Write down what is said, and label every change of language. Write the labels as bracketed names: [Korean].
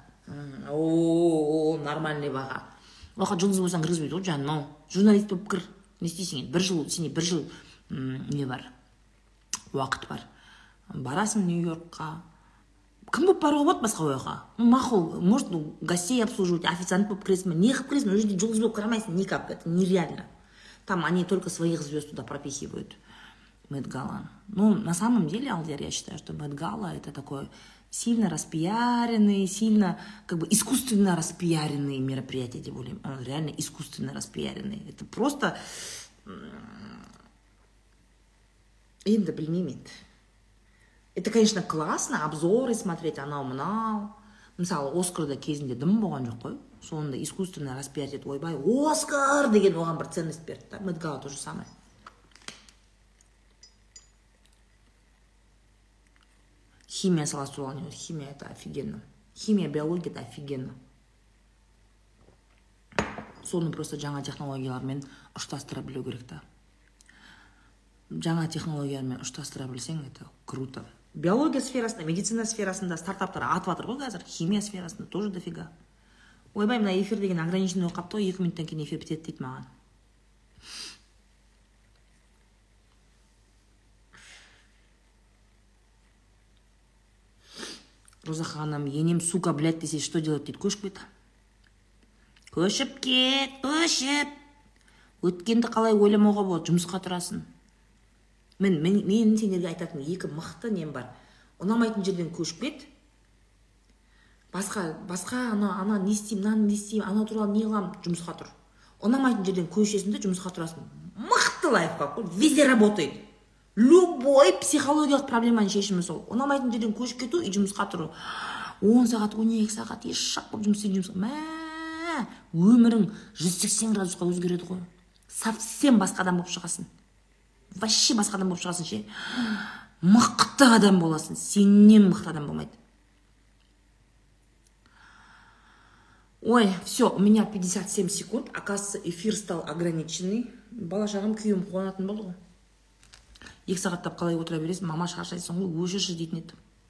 [Kazakh] Нормальный баға. Оған жұлдыз болсаң кіргізбейді, жаным. Журналист болып кір. Не істейсің енді? Бір жыл, сенде бір жыл не бар? Уақыт бар. Барасың Нью-Йоркқа. Кім болып баруға болады басқа ойға? Мақұл, [Russian] может, гостей обслуживать, [Kazakh] официант болып кіресің бе? Не қылып кіресің? Ол жерде жұлдыз болып қарамайсың, никак. [Russian] Это нереально. Там они только своих звезд туда пропихивают. Мэтт Гала. Ну, на самом деле, Алдияр, я считаю, что Мэтт Гала это такой сильно распиаренный, сильно как бы искусственно распиаренный мероприятие, тем более. Он реально искусственно распиаренный. Это просто... Инда, блинимит. Это, конечно, классно, обзоры смотреть, анау-мынау. [Kazakh] Мысалы, Оскарда кезінде дым болған жоқ қой. Сонында [Russian] искусственно распиарит, [Kazakh] ойбай, Оскар деген оған бір ценность берді. Да? [Russian] Мэтт Гала тоже самое. [Kazakh] Химия саласы туралы не ойды. [Russian] Химия это офигенно. Химия, биология это офигенно. [Kazakh] Соны просто жаңа технологиялармен ұштастыра білу керек та. Жаңа технологиялармен ұштастыра білсең, [Russian] это круто. [Kazakh] Биология сферасында, медицина сферасында стартаптар атыватыр ғой қазір, химия сферасында [Russian] тоже дофига. [Kazakh] Ойбай, мына эфир деген ограниченный оқып тұр, 2 минуттан кейін эфир бітеді дейді маған. Роза ханым, енем сука, блядь, десе, [Russian] что делать [Kazakh] дейді, көшіп кет. Көшіп кет, көшіп. Өткенді қалай ойламауға болады, жұмысқа тұрасың. Мен сендерге айтатын екі мықты нем бар. Ұнамайтын жерден көшіп кет. Басқа ана не істеймін, мынаны не істеймін, ана туралы не қыламын, жұмысқа тұр. Ұнамайтын жерден көшесің де жұмысқа тұрасың. [Russian] Мықты лайфхак, везде работает. [Kazakh] Любой психологиялық проблеманың шешімі сол. Ұнамайтын жерден көшіп кету и жұмысқа тұру. 10 сағат, 12 сағат еш шақ болып жұмыс істеп жұмысқа. Мә, өмірің 180 градусқа өзгереді ғой. Совсем басқа адам болып шығасың. Вообще басқа адам болып шығасың ше. Мықты адам боласың. Сеннен мықты адам болмайды. [Russian] Ой, все, у меня 57 секунд. Оказывается, эфир стал ограниченный. [Kazakh] Бала шағым күйім қуанатын болды ғой. 2 сағаттап қалай отыра бересің, мама шаршайсың ғой, өшірші дейтін еді.